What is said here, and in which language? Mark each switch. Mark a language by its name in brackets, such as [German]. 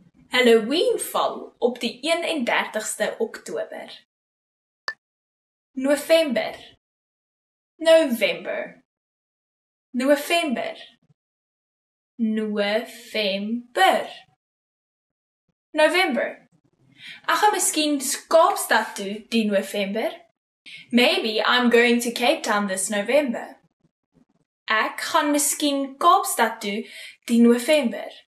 [Afrikaans] Halloween fall op die 31ste Oktober. November. November. November. November. November. Ek gaan miskien Kaapstad toe die November. [English] Maybe I'm going to Cape Town this November. [Afrikaans] Ek gaan miskien Kaapstad toe die November.